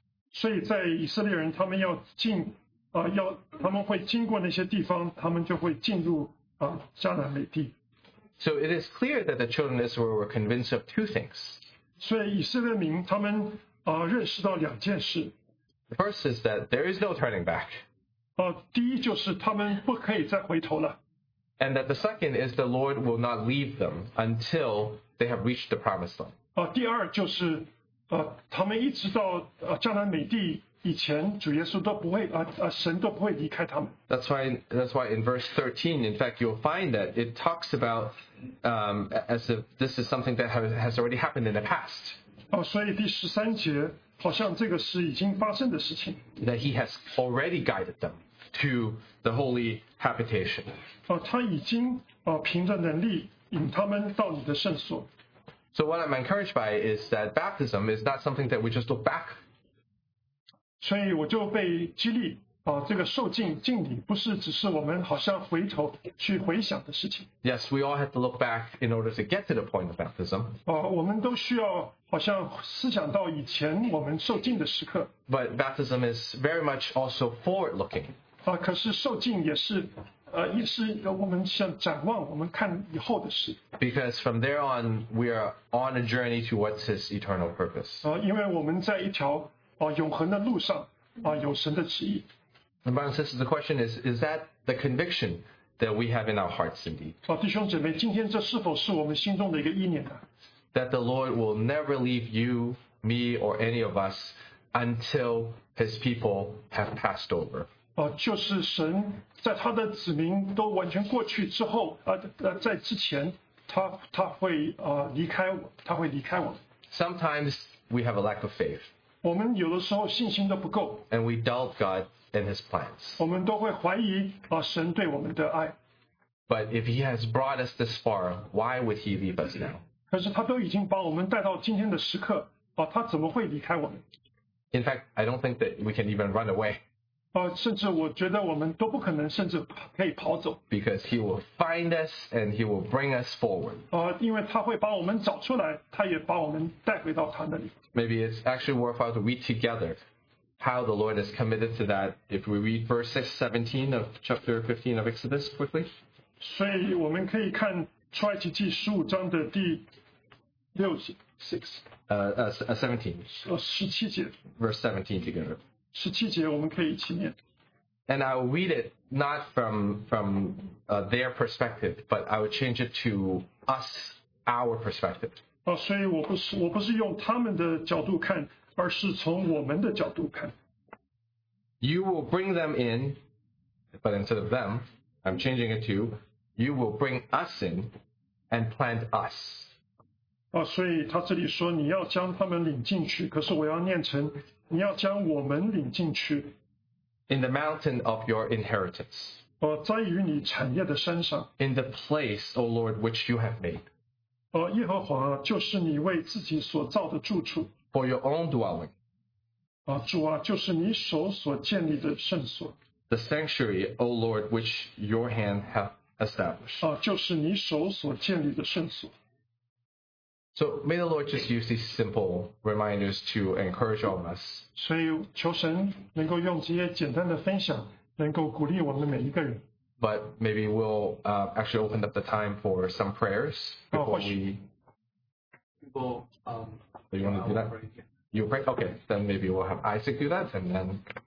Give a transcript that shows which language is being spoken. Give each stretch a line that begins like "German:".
Chinese: 所以在以色列人他们要进要他们会经过那些地方，他们就会进入迦南美地。
English: So it is clear that the children of Israel were convinced of two things.
Chinese: 所以以色列民他们认识到两件事。
English: The first is that there is no turning back.
Chinese: 第一就是他们不可以再回头了。
English: And that the second is the Lord will not leave them until they have reached the promised land.
Chinese: 第二就是他们一直到迦南美地以前，主耶稣都不会神都不会离开他们。
English: That's why in verse 13, in fact, you'll find that it talks about as if this is something that has already happened in the past.
Chinese: 所以第十三节好像这个是已经发生的事情。
English: That he has already guided them to the holy habitation.
Chinese: 他已经凭着能力引他们到你的圣所。
English: So what I'm encouraged by is that baptism is not something that we just look back.
Chinese: 所以我就被激励这个受浸浸礼不是只是我们好像回头去回想的事情。
English: Yes, we all have to look back in order to get to the point of baptism.
Chinese: 我们都需要好像思想到以前我们受浸的时刻。
English: But baptism is very much also forward-looking.
Chinese: 可是受浸也是也是我们想展望我们看以后的事。
English: Because from there on, we are on a journey towards his eternal purpose.
Chinese: 因为我们在一条永恒的路上有神的旨意。
English: The Bible says the question is that the conviction that we have in our hearts indeed?
Chinese: 弟兄姊妹，今天这是否是我们心中的一个意念呢？
English: That the Lord will never leave you, me, or any of us until his people have passed over.
Chinese: 就是神在他的子民都完全过去之后在之前他会离开我，他会离开我。
English: Sometimes we have a lack of faith.
Chinese: 我们有的时候信心都不够。
English: And we doubt God and his plans.
Chinese: 我们都会怀疑神对我们的爱。
English: But if he has brought us this far, why would he leave us now?
Chinese: 可是他都已经把我们带到今天的时刻他怎么会离开我们？
English: In fact, I don't think that we can even run away.
Chinese: 甚至我觉得我们都不可能甚至可以跑走。
English: Because he will find us and he will bring us forward.
Chinese: 因为他会把我们找出来，他也把我们带回到他那里。
English: Maybe it's actually worthwhile to read together how the Lord is committed to that. If we read verse 17 of chapter 15 of Exodus quickly.
Chinese: 所以我们可以看出埃及记十五章的第六节 17
English: verse 17 together.
Chinese: 17节我们可以一起念。
English: And I will read it not from their perspective, but I will change it to us, our perspective.
Chinese: 所以我不是用他们的角度看，而是从我们的角度看。
English: You will bring them in, but instead of them, I'm changing it to you will bring us in and plant us.
Chinese: 所以他这里说你要将他们领进去，可是我要念成你要将我们领进去。
English: In the mountain of your inheritance.
Chinese: 在于你产业的山上。
English: In the place, O Lord, which you have made.
Chinese: 耶和华就是你为自己所造的住处。
English: For your own dwelling.
Chinese: 主啊，就是你手所建立的圣所。
English: The sanctuary, O Lord, which your hand hath established.
Chinese: 就是你手所建立的圣所。
English: So may the Lord just use these simple reminders to encourage all of us.
Chinese: 所以求神能够用这些简单的分享，能够鼓励我们每一个人。
English: But maybe we'll actually open up the time for some prayers before we. Do you want to do that? You pray? Okay, then maybe we'll have Isaac do that and then.